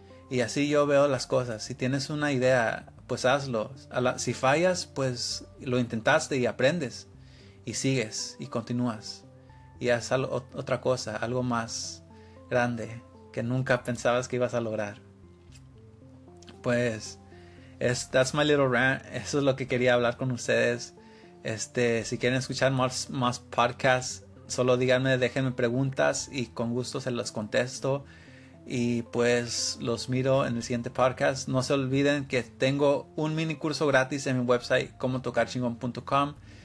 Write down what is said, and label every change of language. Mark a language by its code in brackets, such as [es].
[es] Y así yo veo las cosas. Si tienes una idea, pues hazlo. Si fallas, pues lo intentaste y aprendes. Y sigues y continúas. Y haz otra cosa, algo más grande que nunca pensabas que ibas a lograr. [en] Pues, that's my little rant. [es] Eso es lo que quería hablar con ustedes. Si quieren escuchar más podcasts, solo díganme, déjenme preguntas y con gusto se las contesto. Y pues los miro en el siguiente podcast. No se olviden que tengo un mini curso gratis en mi website, comotocarchingon.com.